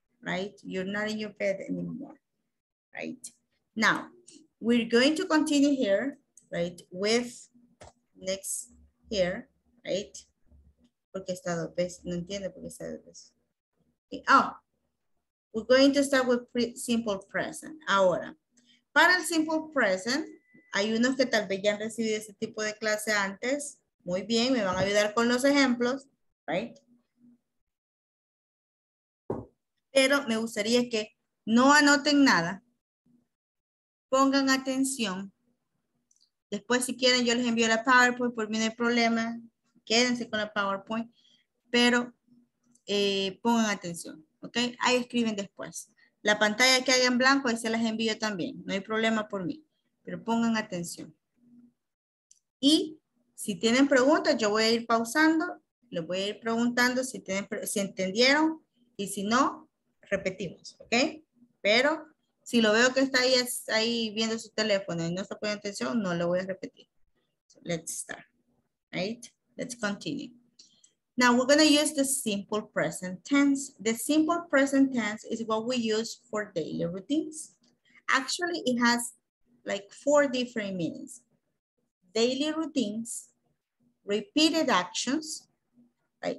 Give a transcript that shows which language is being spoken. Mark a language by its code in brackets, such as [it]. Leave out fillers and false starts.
[en] Right? You're not in your bed anymore. Right? Now, we're going to continue here. Right? With next here. Right? Porque está dos veces. [es] No entiende por qué está dos veces. Okay. [en] Oh, we're going to start with simple present. [es] Ahora, para el simple present, hay unos que tal vez ya han recibido ese tipo de clase antes. Muy bien, me van a ayudar con los ejemplos, right? Pero me gustaría que no anoten nada. Pongan atención. Después, si quieren, yo les envío la PowerPoint, por mí no hay problema. Quédense con la PowerPoint, pero pongan atención, ¿ok? Ahí escriben después. La pantalla que hay en blanco, ahí se las envío también. No hay problema por mí, pero pongan atención. Y si tienen preguntas, yo voy a ir pausando, les voy a ir preguntando si entendieron y si no, repetimos, ¿ok? Pero si lo veo que está ahí, ahí viendo su teléfono y no está poniendo atención, no lo voy a repetir. [en] So, let's start, right? Let's continue. Now we're going to use the simple present tense. The simple present tense is what we use for daily routines. Actually, it has like 4 different meanings. Daily routines, repeated actions, right?